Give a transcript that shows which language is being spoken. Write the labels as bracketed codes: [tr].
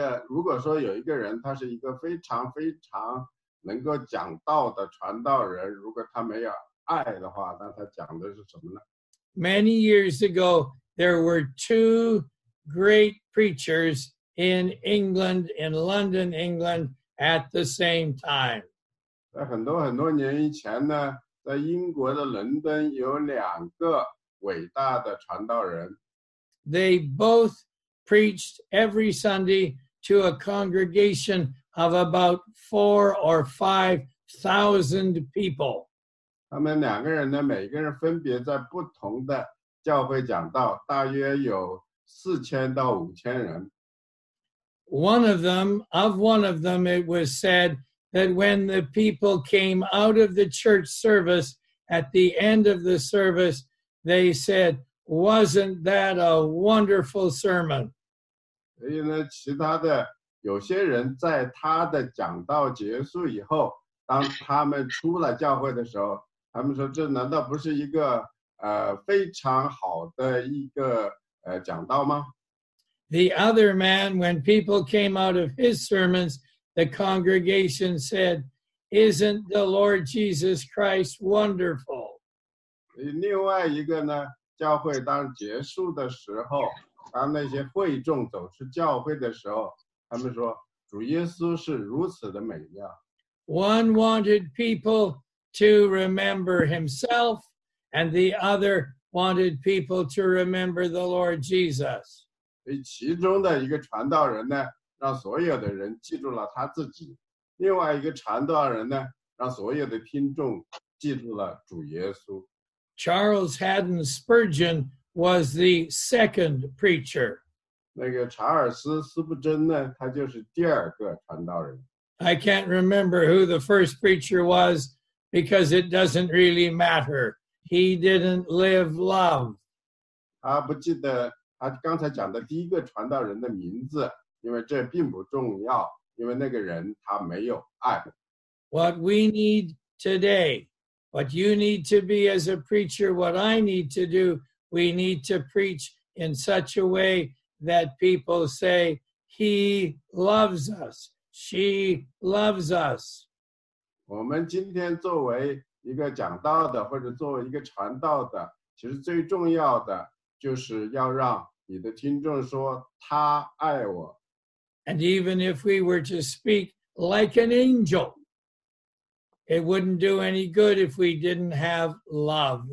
[zh] 如果说有一个人，他是一个非常非常能够讲道的传道人，如果他没有爱的话，那他讲的是什么呢？ [en] Many years ago, there were two great preachers in England, in London, England, at the same time. [zh] 在很多很多年以前呢，在英国的伦敦有两个伟大的传道人。 [en] They both preached every Sunday to a congregation of about 4,000 or 5,000 people. [zh] 他们两个人呢，每个人分别在不同的教会讲道，大约有4,000到5,000人。 [en] one of them, it was said that when the people came out of the church service at the end of the service, they said, "Wasn't that a wonderful sermon?" [zh] 所以呢，其他的有些人在他的讲道结束以后，当他们出了教会的时候，他们说：“这难道不是一个非常好的一个讲道吗？” [en] The other man, when people came out of his sermons, the congregation said, "Isn't the Lord Jesus Christ wonderful?" [zh] 另外一个呢，教会当结束的时候。当那些会众走出教会的时候，他们说主耶稣是如此的美妙。 [en] One wanted people to remember himself, and the other wanted people to remember the Lord Jesus. [zh] 其中的一个传道人呢，让所有的人记住了他自己；另外一个传道人呢，让所有的听众记住了主耶稣。 [en] Charles Haddon Spurgeon. Was the second preacher. [zh] 那个查尔斯·斯布珍呢，他就是第二个传道人。 [en] I can't remember who the first preacher was because it doesn't really matter. He didn't live love. [zh] 他不记得他刚才讲的第一个传道人的名字，因为这并不重要，因为那个人他没有爱。 [en] What we need today, what you need to be as a preacher, what I need to do. We need to preach in such a way that people say, He loves us. She loves us. [zh] 我们今天作为一个讲道的或者作为一个传道的，其实最重要的就是要让你的听众说，他爱我。 [en] And even if we were to speak like an angel, it wouldn't do any good if we didn't have love.